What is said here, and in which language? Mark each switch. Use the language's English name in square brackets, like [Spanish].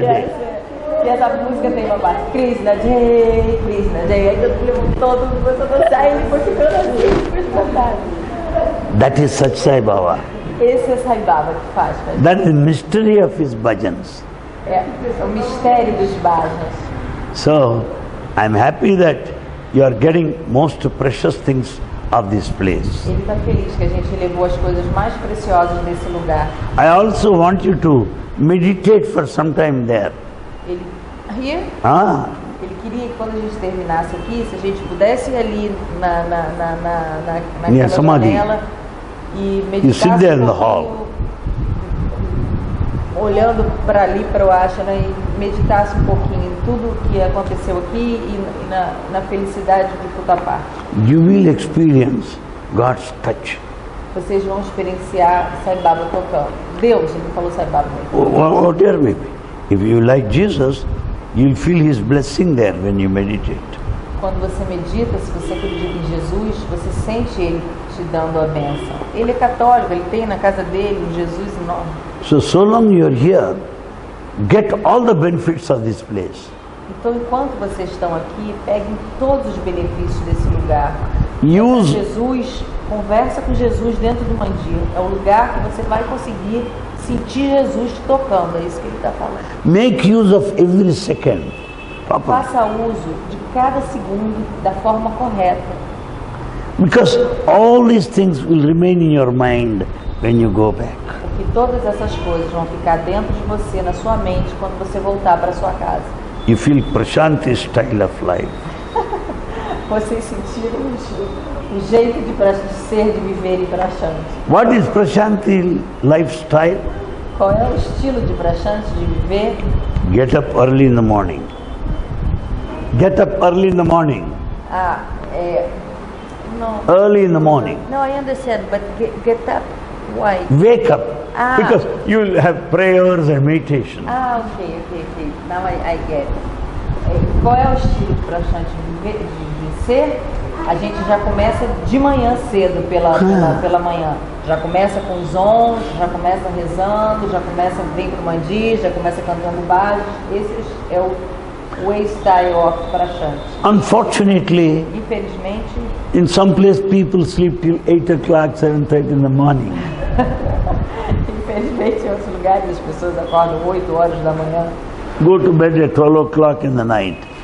[English] day. Yes, Krishna Jai, Krishna Jai. That is such Sai Baba. [Portuguese] Esse é Sai Baba que faz. [English] That is the mystery of his bhajans. [Portuguese] O mistério dos bhajans. [English] So, I'm happy that you are getting most precious things of this place. [Portuguese] Ele está feliz que a gente levou as coisas mais preciosas desse lugar. [English] I also want you to meditate for some time there. [Portuguese] Ele, Ele queria que quando a gente terminasse aqui, se a gente pudesse ir ali na janela e meditar. [English] You sit there in the hall. [Portuguese] Olhando para ali, para o Ashana, e meditasse um pouquinho em tudo o que aconteceu aqui e na felicidade de toda a parte. [English] You will experience God's touch. [Portuguese] Vocês vão experienciar Sai Baba tocando. Deus, ele falou Sai Baba mesmo. [English] Oh, dear baby, if you like Jesus, you'll feel His blessing there when you meditate. [Portuguese] Quando você medita, se você acredita em Jesus, você sente Ele te dando a bênção. Ele é católico, ele tem na casa dele um Jesus enorme. [English] So long you are here, get all the benefits of this place. [Portuguese] Então enquanto vocês estão aqui, peguem todos os benefícios desse lugar. [English] Use [Portuguese] Jesus, conversa com Jesus dentro do mandir. É o lugar que você vai conseguir sentir Jesus te tocando. É isso que ele está falando. [English] Make use of every second. Papa. [Portuguese] Faça uso de cada segundo da forma correta. [English] Because all these things will remain in your mind when you go back. [Portuguese] Porque todas essas coisas vão ficar dentro de você, na sua mente, quando você voltar para sua casa. [English] You feel Prashanti style of life. [Portuguese] Vocês sentiram o jeito de ser, de viver em Prashanti. [English] What is Prashanti lifestyle? [Portuguese] Qual é o estilo de Prashanti de viver? [English] Get up early in the morning. Get up early in the morning. No. Early in the morning. No, I understand, but get up, why? Wake up, because you will have prayers and meditation. Okay. Now I get it. [Portuguese] Qual é o estilo para a gente vencer? A gente já começa de manhã cedo, pela manhã. Já começa com os ons, já começa rezando, já começa vem para o mandi, já começa cantando baixo. Esse é o [English] way style of [Portuguese] Prashant. [English] Unfortunately, [Portuguese] infelizmente, [English] in some place people sleep till 8 o'clock, 7:30 in the morning. [Portuguese] Infelizmente, em outros lugares as pessoas acordam 8 horas da manhã. [English] Go to bed at 12 o'clock in the night.